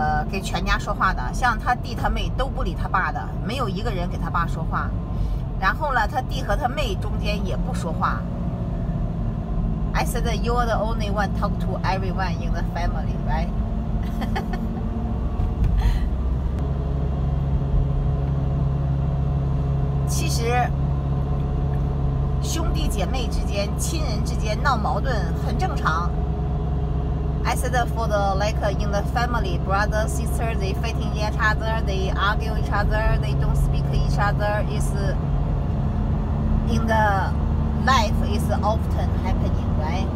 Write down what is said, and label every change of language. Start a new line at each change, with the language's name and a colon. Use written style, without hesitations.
Chinese: 给全家说话的，像他弟他妹都不理他爸的，没有一个人给他爸说话。然后呢，他弟和他妹中间也不说话。
English: I said that you are the only one talk to everyone in the family, right?
Chinese: 其实，兄弟姐妹之间、亲人之间闹矛盾很正常。
English: I said for the like in the family, brother, sister, they fighting each other, they argue each other, they don't speak each other. Is in the life is often happening, right?